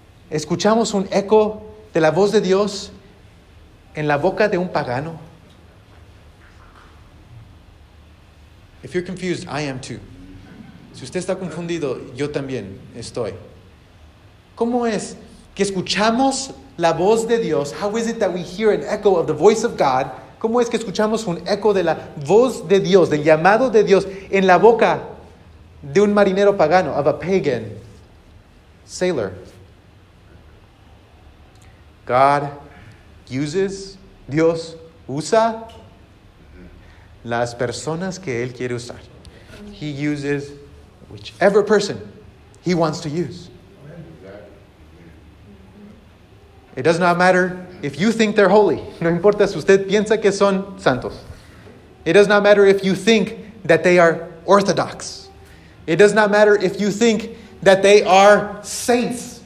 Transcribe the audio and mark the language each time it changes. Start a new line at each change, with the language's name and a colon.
Spanish: Escuchamos un eco de la voz de Dios en la boca de un pagano.
English: If you're confused, I am too.
Spanish: Si usted está confundido, yo también estoy. ¿Cómo es que escuchamos la voz de Dios?
English: How is it that we hear an echo of the voice of God?
Spanish: ¿Cómo es que escuchamos un eco de la voz de Dios, del llamado de Dios, en la boca de un marinero pagano,
English: of a pagan sailor? God uses,
Spanish: Dios usa las personas que Él quiere usar.
English: He uses whichever person He wants to use. It does not matter if you think they're holy. No importa si usted piensa que son santos. It does not matter if you think that they are orthodox. It does not matter if you think that they are saints.